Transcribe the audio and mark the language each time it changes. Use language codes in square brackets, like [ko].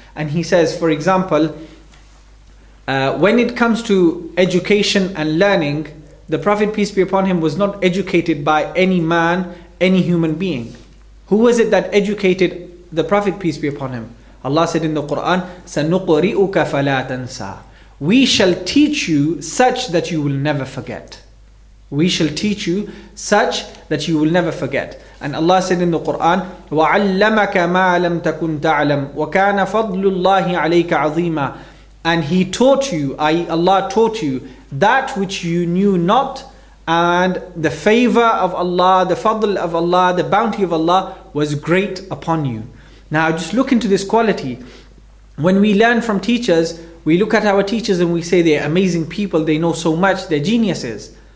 [en] And he says, for example, when it comes to education and learning, the Prophet, peace be upon him, was not educated by any man, any human being. Who was it that educated the Prophet, peace be upon him? Allah said in the Quran, [ar] سَنُقْرِئُكَ فَلَا تَنْسَى. [en] We shall teach you such that you will never forget. We shall teach you such that you will never forget. And Allah said in the Quran, [ar] وَعَلَّمَكَ مَا لَمْ تَكُنْ تَعْلَمْ وَكَانَ فَضْلُ اللَّهِ عَلَيْكَ عَظِيمًا. [en] And He taught you, i.e. Allah taught you, that which you knew not, and the favor of Allah, the fadl of Allah, the bounty of Allah was great upon you. Now just look into this quality. When we learn from teachers, we look at our teachers and we say they're amazing people, they know so much, they're geniuses.